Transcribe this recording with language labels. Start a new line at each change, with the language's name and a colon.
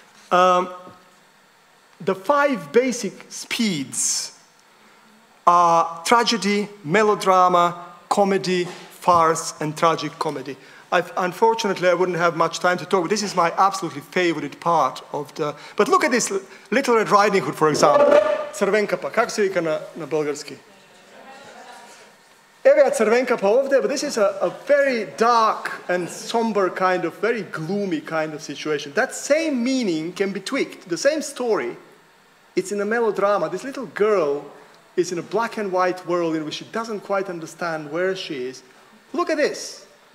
English: The five basic speeds are tragedy, melodrama, comedy, farce, and tragic comedy. Unfortunately, I wouldn't have much time to talk, but this is my absolutely favorite part of the... But look at this, Little Red Riding Hood, for example.
Serbian: Crvenkapa, kako se vika na bulgarski? Evo je Crvenkapa ovde,
English: but this is a very dark and somber kind of, very gloomy kind of situation. That same meaning can be tweaked. The same story, it's in a melodrama. This little girl is in a black and white world in which she doesn't quite understand where she is. Look at this.